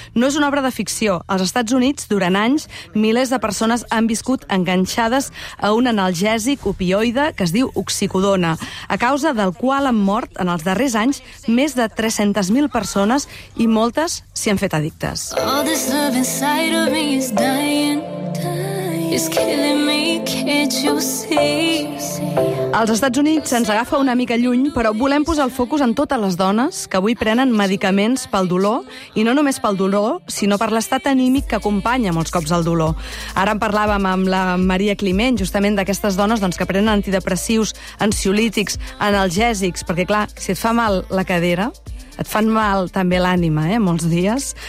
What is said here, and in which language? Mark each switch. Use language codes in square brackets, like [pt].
[ca] No és una obra de ficció. Als Estats Units, durant anys, milers de persones han viscut enganxades a un analgèsic opioide que es diu oxicodona, a causa del qual han mort en els darrers anys més de 300.000 persones i moltes s'hi han fet addictes. [en] All this love inside of me is dying. It's killing me, can't you see? [ca] Als Estats Units ens agafa una mica lluny, però volem posar el focus en totes les dones que avui prenen medicaments pel dolor, i no només pel dolor, sinó per l'estat anímic que acompanya molts cops el dolor. Ara en parlàvem amb la Maria Climent, justament d'aquestes dones doncs, que prenen antidepressius, ansiolítics, analgèsics, perquè clar, si et fa mal la cadera, et fan mal també l'ànima, molts dies.